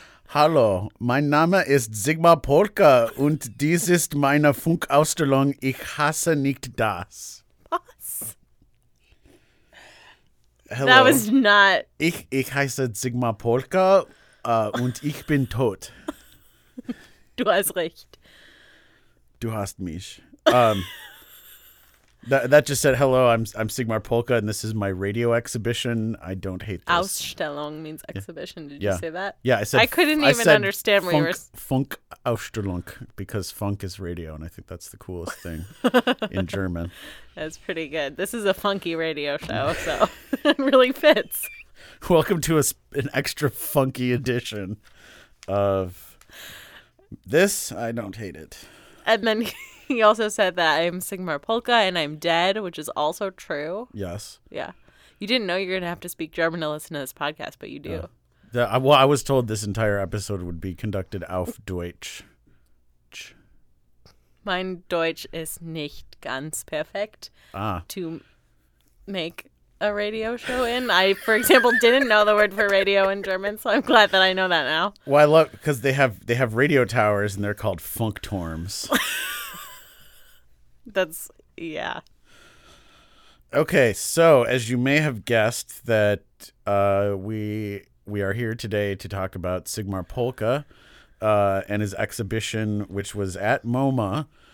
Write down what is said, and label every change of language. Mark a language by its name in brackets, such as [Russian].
[German] Hallo, mein Name ist Sigmar Polka und dies ist meine Funkausstellung Ich hasse nicht das. [English] Hello. That was not... [German] Ich heiße Sigmar Polka und ich bin tot. Du hast recht. Du hast mich. [English] that just said, hello, I'm Sigmar Polka and this is my radio exhibition. I don't hate this. Ausstellung means exhibition. Yeah. Did you say that? Yeah, I said... I couldn't even understand what funk, you were... Funk Ausstellung, because funk is radio and I think that's the coolest thing in German. That's pretty good. This is a funky radio show, so it really fits. Welcome to an extra funky edition of this. I don't hate it. And then he also said that I'm Sigmar Polka and I'm dead, which is also true. Yes. Yeah. You didn't know you're going to have to speak German to listen to this podcast, but you do. I was told this entire episode would be conducted [German] auf Deutsch. Mein Deutsch ist nicht ganz perfekt [English] to make a radio show in. I, for example, didn't know the word for radio in German, so I'm glad that I know that now. Well, I love, because they have radio towers and they're called Funkturms. That's, yeah. Okay, so as you may have guessed that we are here today to talk about Sigmar Polka and his exhibition, which was at MoMA.